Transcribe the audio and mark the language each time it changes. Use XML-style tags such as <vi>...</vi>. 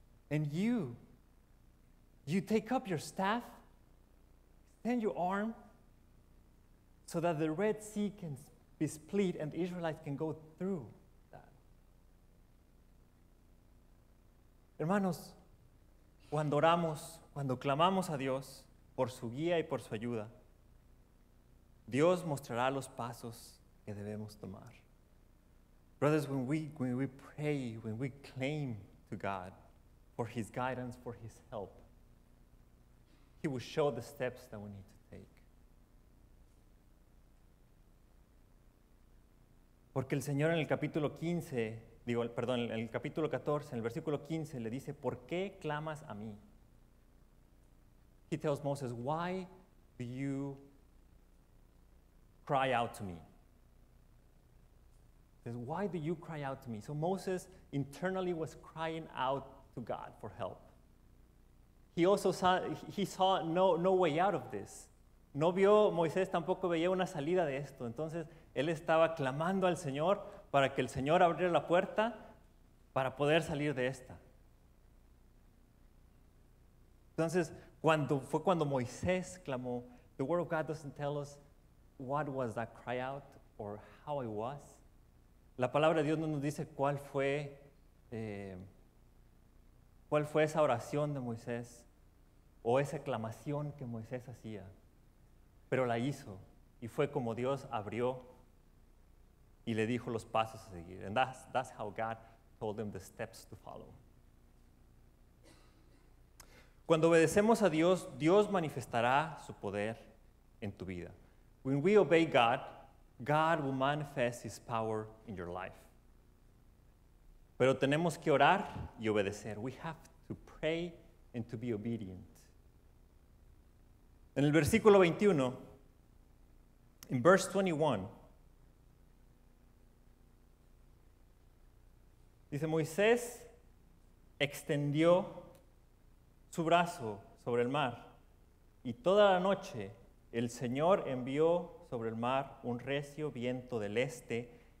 <en>And you take up your staff, extend your arm, so that the Red Sea can be split and the Israelites can go through that.</en> <es>Hermanos, cuando oramos, cuando clamamos a Dios por su guía y por su ayuda, Dios mostrará los pasos que debemos tomar.</es> <en>Brothers, when we pray, when we claim to God for His guidance, for His help, He will show the steps that we need to take.</en> <es>Porque el Señor en el capítulo 15 digo, perdón, en el capítulo 14, en el versículo 15, le dice, ¿por qué clamas a mí?</es> <en>He tells Moses, why do you cry out to me? He says, why do you cry out to me? So Moses internally was crying out to God for help. He also saw, he saw no way out of this.</en> <es>No vio, Moisés tampoco veía una salida de esto. Entonces, él estaba clamando al Señor para que el Señor abriera la puerta para poder salir de esta. Entonces, cuando Moisés clamó,</es> <en>the Word of God doesn't tell us what was that cry out or how it was.</en> <es>La palabra de Dios no nos dice cuál fue esa oración de Moisés o esa clamación que Moisés hacía, pero la hizo y fue como Dios abrió y le dijo los pasos a seguir.</es> <en>And that's how God told them the steps to follow.</en> <es>Cuando obedecemos a Dios, Dios manifestará su poder en tu vida.</es> <en>When we obey God, God will manifest his power in your life.</en> <es>Pero tenemos que orar y obedecer.</es> <en>We have to pray and to be obedient.</en> <es>En el versículo 21,</es> <en>in verse 21,</en> <es>dice Moisés extendió su brazo sobre el mar y toda la noche el Señor envió sobre el mar un recio viento del este</es>